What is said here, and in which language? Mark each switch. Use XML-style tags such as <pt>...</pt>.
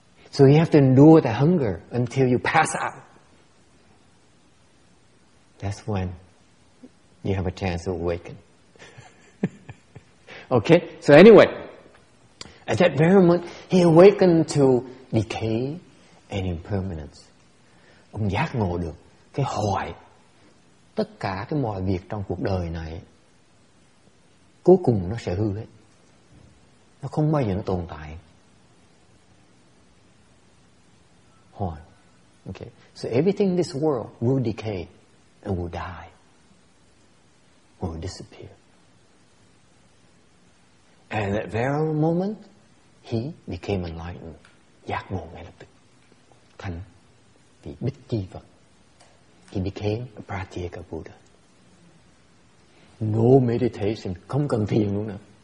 <en>So you have to endure the hunger until you pass out. That's when you have a chance to awaken. Okay? So anyway, at that very moment, he awakened to decay and impermanence.</en> <vi>Ông giác ngộ được cái hoại, tất cả cái mọi việc trong cuộc đời này cuối cùng nó sẽ hư hết, nó không bao giờ nó tồn tại hoại.</vi> <en>Okay, so everything in this world will decay and will die, will disappear. And at that very moment he became enlightened,</en> <vi>giác ngộ ngay lập tức, thành vị bích chi Phật.</vi> <en>He became a Pratyeka Buddha. No meditation,</en> <vi>không cần thiền luôn nữa.</vi>